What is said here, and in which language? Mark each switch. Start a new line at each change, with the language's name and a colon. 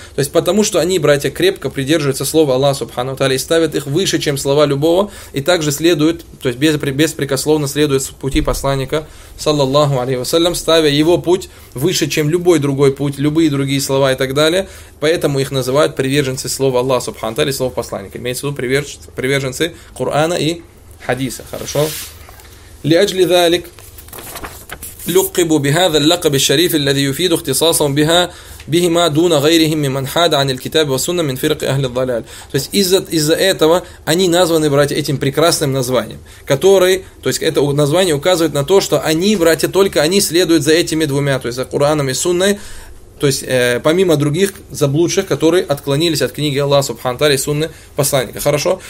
Russian: То есть потому что они, братья, крепко придерживаются слова Аллаха Субхана ва Тааля и ставят их выше, чем слова любого, и также следуют, то есть беспрекословно следуют пути посланника саллаллаху алейхи ва саллям, ставя его путь выше, чем любой другой путь, любые другие слова и так далее. Поэтому их называют приверженцы слова Аллаха Субхана ва Тааля, слова посланника. Имеется в виду приверженцы Кур'ана и хадиса. Хорошо?
Arabic: لأجل ذلك لقب بهذا اللقب الشريف الذي يفيد اختصاصهم بها بهما دون غيرهم ممن حاد عن الكتاب والسنة من فرق أهل الضلال.
Russian: То есть из-за этого они названы, братья, этим прекрасным названием, который, то есть это название указывает на то, что они, братья, только они следуют за этими двумя, то есть за Кур'аном и Сунной, то есть помимо других заблудших, которые отклонились от книги Аллаха Субхану Тааля и Сунны посланника. Хорошо?